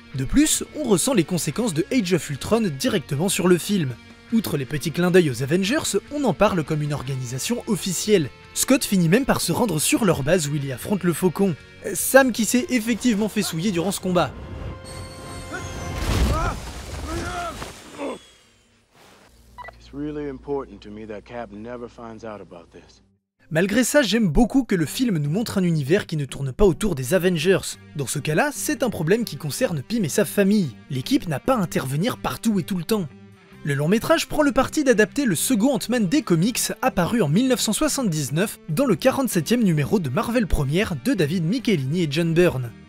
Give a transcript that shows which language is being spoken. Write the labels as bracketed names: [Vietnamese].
[French] De plus, on ressent les conséquences de Age of Ultron directement sur le film. Outre les petits clins d'œil aux Avengers, on en parle comme une organisation officielle. Scott finit même par se rendre sur leur base où il y affronte le Faucon. Sam qui s'est effectivement fait souiller durant ce combat. [English] It's really important to me that Cap never finds out about this. [French] Malgré ça, j'aime beaucoup que le film nous montre un univers qui ne tourne pas autour des Avengers. Dans ce cas-là, c'est un problème qui concerne Pym et sa famille. L'équipe n'a pas à intervenir partout et tout le temps. Le long métrage prend le parti d'adapter le second Ant-Man des comics, apparu en 1979 dans le 47e numéro de Marvel Première de David Michelinie et John Byrne.